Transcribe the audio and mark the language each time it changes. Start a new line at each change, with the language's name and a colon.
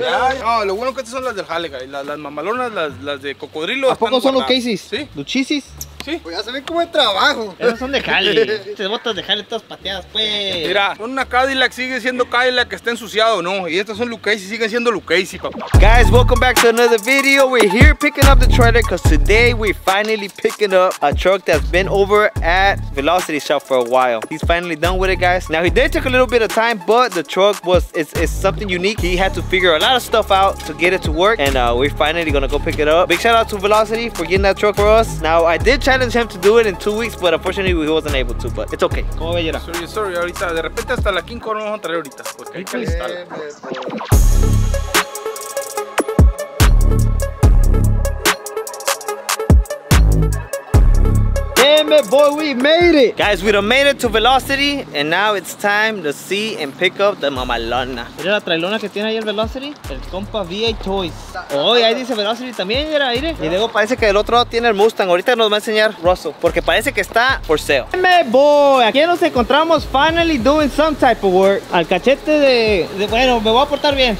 Spanish: No, oh, lo bueno que estas son las del Jale, güey. Las mamalonas, las de cocodrilo. ¿A poco son Lucases? Sí. ¿Luchisis? Sí. Pues ya se ven como de trabajo. Esas son de Jale. Estas botas de Jale todas pateadas, pues. Mira, una Cadillac sigue siendo Cadillac que está ensuciado, ¿no? Y estas son Lucases, siguen siendo Lucases, papá.
English: Guys, welcome back to another video. We're here picking up the trailer because today we're finally picking up a truck that's been over at Velocity Shop for a while. He's finally done with it, guys. Now, he did take a little bit of time, but the truck was it's something unique. He had to figure a lot of stuff out to get it to work, and we're finally gonna go pick it up. Big shout out to Velocity for getting that truck for us. Now, I did challenge him to do it in 2 weeks, but unfortunately he wasn't able to, but it's okay.
Spanish: ¿Cómo ve, Yera?
English: Sorry,
Spanish: ahorita de repente hasta la quinco no vamos a traer ahorita porque hay que
English: Damn it, boy, we made it. Guys, we done made it to Velocity, and now it's time to see and pick up the mamalona.
Spanish: Mira la trailona que tiene ahí el Velocity, el compa VA Toys. Oh, y ahí dice Velocity también, era aire. Y luego parece que el otro lado tiene el Mustang. Ahorita nos va a enseñar Russell, porque parece que está por sale.
English: Damn it, boy,
Spanish: aquí nos encontramos
English: finally doing some type of work.
Spanish: Al cachete de bueno, me voy a portar bien.